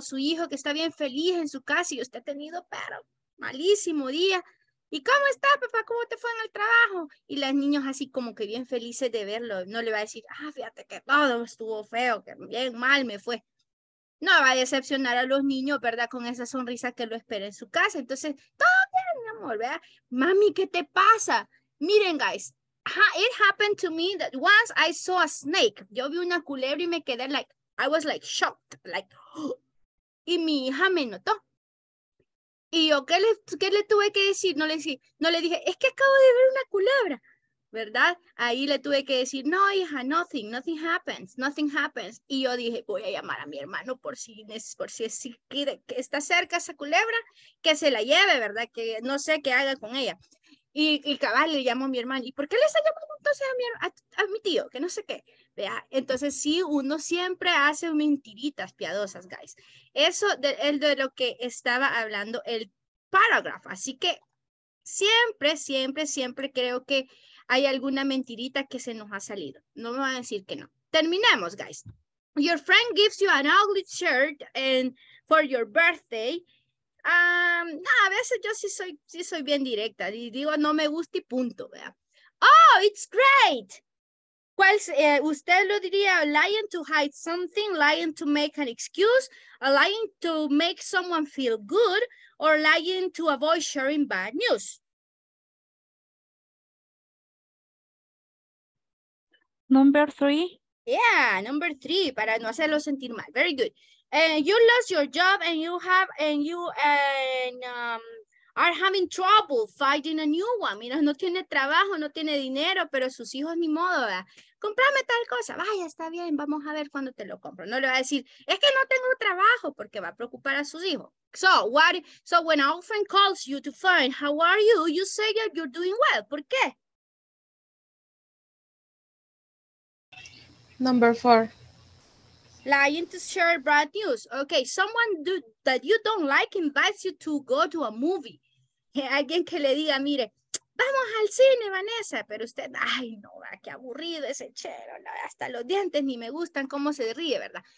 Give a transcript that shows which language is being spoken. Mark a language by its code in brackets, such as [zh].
[es] O su hijo que está bien feliz en su casa y usted ha tenido pero malísimo día. ¿Y cómo está, papá? ¿Cómo te fue en el trabajo? Y las niños así como que bien felices de verlo. No le va a decir, fíjate que todo estuvo feo, que bien mal me fue. No va a decepcionar a los niños, ¿verdad? Con esa sonrisa que lo espera en su casa. Entonces, todo bien, mi amor, ¿verdad? Mami, ¿qué te pasa? Miren, guys. [en] It happened to me that once I saw a snake. [es] Yo vi una culebra y me quedé like, [en] I was like shocked. [es] Like, y mi hija me notó. Y yo, ¿qué le tuve que decir? No le dije, es que acabo de ver una culebra, ¿verdad? Ahí le tuve que decir, no, hija, [en] nothing happens. [es] Y yo dije, voy a llamar a mi hermano por si quiere que está cerca esa culebra, que se la lleve, ¿verdad? Que no sé qué haga con ella. Y cabal, le llamo a mi hermano. ¿Y por qué le está llamando entonces a mi tío? Que no sé qué. Vea, entonces sí, uno siempre hace mentiritas piadosas, guys. Eso es de lo que estaba hablando el parágrafo. Así que siempre creo que hay alguna mentirita que se nos ha salido. No me van a decir que no. Terminemos, guys. [en] Your friend gives you an ugly shirt and for your birthday. [es] No, a veces yo sí soy bien directa y digo no me gusta y punto, ¿verdad? [en] Oh, it's great. [es] ¿Cuál usted lo diría? [en] Lying to hide something, lying to make an excuse, lying to make someone feel good, or lying to avoid sharing bad news. Number three. Yeah, number three, [es] para no hacerlo sentir mal. [en] Very good. And you lost your job and you are having trouble finding a new one. [es] Mira, no tiene trabajo, no tiene dinero, pero sus hijos ni modo, ¿verdad? Cómprame tal cosa. Vaya, está bien, vamos a ver cuándo te lo compro. No le va a decir, es que no tengo trabajo, porque va a preocupar a sus hijos. [en] So when an old friend calls you to find how are you, you say that you're doing well. [es] ¿Por qué? [en] Number four. Lying to share bad news. Okay, someone that you don't like invites you to go to a movie. [es] Alguien que le diga, mire, vamos al cine, Vanessa. Pero usted, ay, no, qué aburrido ese chero. Hasta los dientes ni me gustan cómo se ríe, ¿verdad?